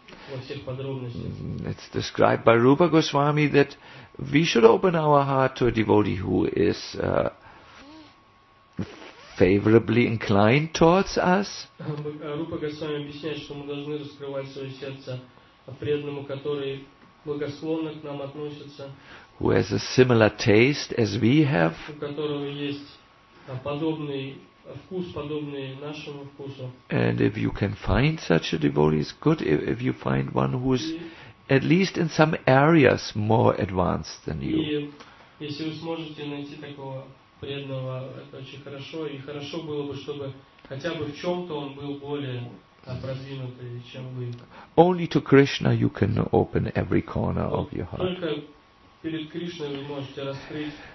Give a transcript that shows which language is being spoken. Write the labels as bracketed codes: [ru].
[en] It's described by Rupa Goswami that we should open our heart to a devotee who is favorably inclined towards us. [ru] Rupa Goswami объясняет, что мы должны раскрывать свое сердце преданному, который благосклонно к нам относится. [en] Who has a similar taste as we have. [ru] У которого есть подобный вкус, подобный нашему вкусу. [en] And if you can find such a devotee, it's good if you find one who is at least in some areas more advanced than you. [ru] И если вы сможете найти такого преданного, это очень хорошо. И хорошо было бы, чтобы хотя бы в чем-то он был более продвинутый, чем вы. [en] Only to Krishna you can open every corner of your heart. [ru] Только перед Кришной вы можете раскрыть